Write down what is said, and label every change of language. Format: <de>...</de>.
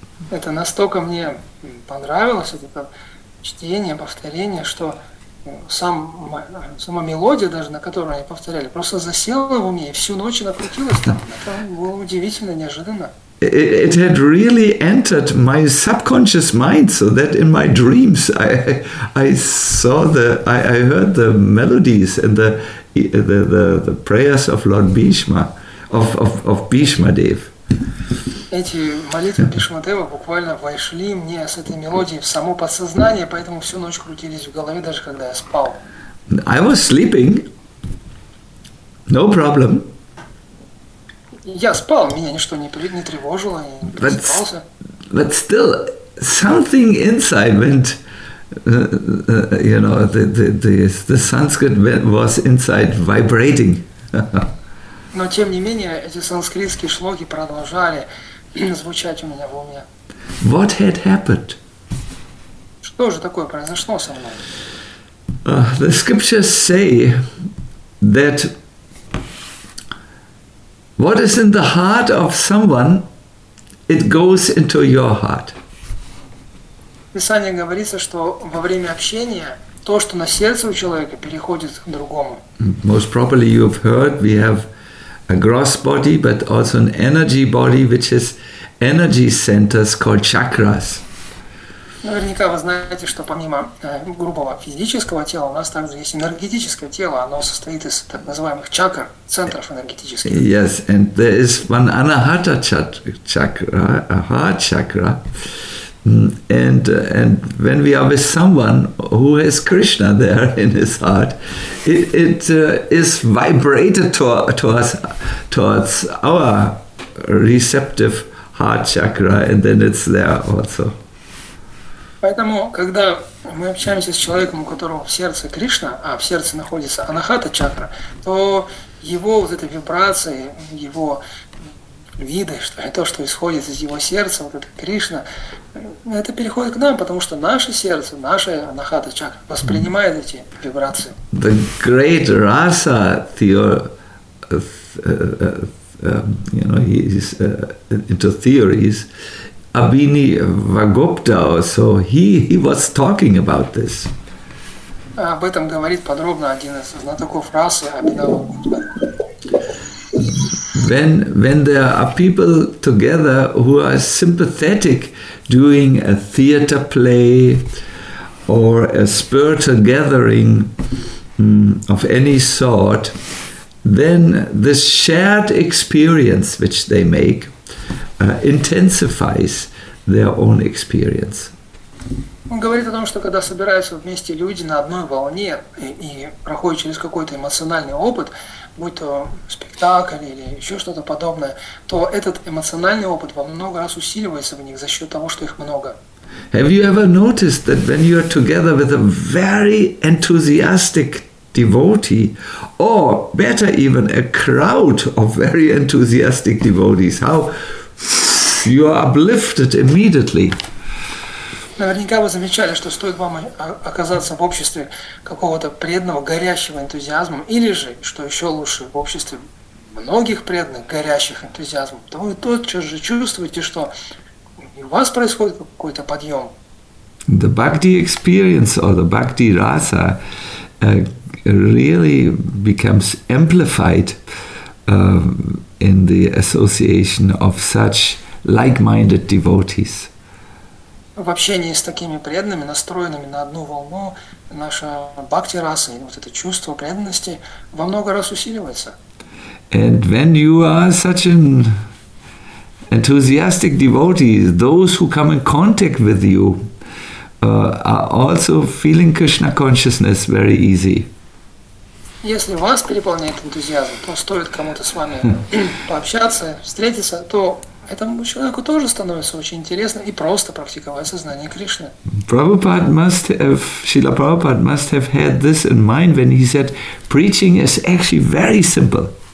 <ru>Это настолько мне понравилось это чтение, повторение, что сама мелодия даже, на которую они повторяли, просто засела в уме и всю ночь накрутилась там. Это было удивительно, неожиданно.</ru> <en>It had really entered my subconscious mind, so that in my dreams I heard the melodies and the prayers of Lord Bhishma, of Bhishma Dev.</en> <ru>Эти молитвы Бхишма Дева буквально вошли мне с этой мелодией в само подсознание, поэтому всю ночь крутились в голове, даже когда я спал.</ru> <en>I was sleeping. No problem.</en> <ru>Я спал, меня ничто не тревожило, не просыпался.</ru> <en>But still, something inside went, you know, the Sanskrit was inside vibrating.</en> <ru>Но тем не менее, эти санскритские шлоки продолжали звучать у меня в уме.</ru> <en>What had happened?</en> <ru>Что же такое произошло со мной?</ru> <en>The scriptures say that what is in the heart of someone, it goes into your heart.</en> <ru>Писание говорится, что во время общения то, что на сердце у человека, переходит к другому.</ru> <en>Most probably you have heard we have a gross body, but also an energy body, which is energy centers called chakras.</en> <ru>Наверняка вы знаете, что помимо грубого физического тела, у нас также есть энергетическое тело. Оно состоит из так называемых чакр, центров энергетических.</ru> <en>Yes, and there is one anahata chakra, a heart chakra. And when we are with someone who has Krishna there in his heart, it is vibrated towards our receptive heart chakra, and then it's there also.</en> <ru>Поэтому, когда мы общаемся с человеком, у которого в сердце Кришна, а в сердце находится анахата чакра, то его вот эта вибрация, его виды, что то, что исходит из его сердца, вот это Кришна, это переходит к нам, потому что наше сердце, наша анахата чакра воспринимает эти вибрации.</ru> <en>The great rasa theories. Abhinivagupta also, he was talking about this.</en> <ru>об этом говорит подробно один из знатоков расы Абинавагупта.</ru> <en>When there are people together who are sympathetic doing a theater play or a spiritual gathering of any sort, then this shared experience which they make intensifies their own experience.</en> <ru>Он говорит о том, что когда собираются вместе люди на одной волне и проходят через какой-то эмоциональный опыт, будь то спектакль или еще что-то подобное, то этот эмоциональный опыт во много раз усиливается в них за счет того, что их много.</ru> <en>Have you ever noticed that when you are together with a very enthusiastic devotee, or better even, a crowd of very enthusiastic devotees, how you are uplifted immediately?</en> <ru>Наверняка вы замечали, что стоит вам оказаться в обществе какого-то преданного, горящего энтузиазмом, или же, что еще лучше, в обществе многих преданных, горящих энтузиазмом, то вы тотчас же чувствуете, что у вас происходит какой-то подъем.</ru> <en>The bhakti experience or the bhakti rasa really becomes amplified in the association of such like-minded devotees.</en> <ru>В общении с такими преданными, настроенными на одну волну, наша бхакти-раса, вот это чувство преданности, во много раз усиливается.</ru> <en>And when you are such an enthusiastic devotee, those who come in contact with you are also feeling Krishna consciousness very easy.</en> <ru>Если вас переполняет энтузиазм, то стоит кому-то с вами пообщаться, встретиться, то этому человеку тоже становится очень интересно и просто практиковать сознание Кришны.</ru> <en>Prabhupada must have, Srila Prabhupada must have had this in mind when he said, preaching is actually very simple.</en>